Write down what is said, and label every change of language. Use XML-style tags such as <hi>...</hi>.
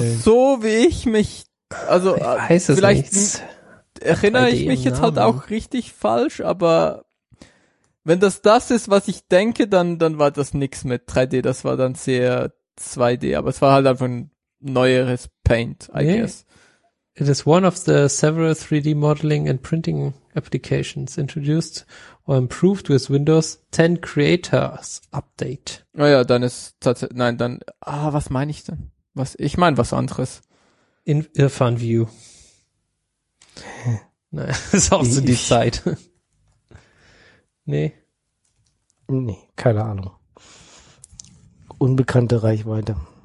<de>Also so wie ich mich... Also ich weiß es vielleicht nicht. Erinnere ich mich jetzt halt auch richtig falsch, aber wenn das ist, was ich denke, dann war das nix mit 3D, das war dann sehr 2D, aber es war halt einfach ein neueres Paint,</de> <en>I guess. It is one of the several 3D modeling and printing applications introduced or improved with Windows 10 Creators Update.</en> <de>Naja, dann ist tatsächlich, nein, dann, was meine ich denn? Ich meine was anderes. In Irfan View. Nein, ist auch so die Zeit. Nee, keine Ahnung. Unbekannte Reichweite.</de>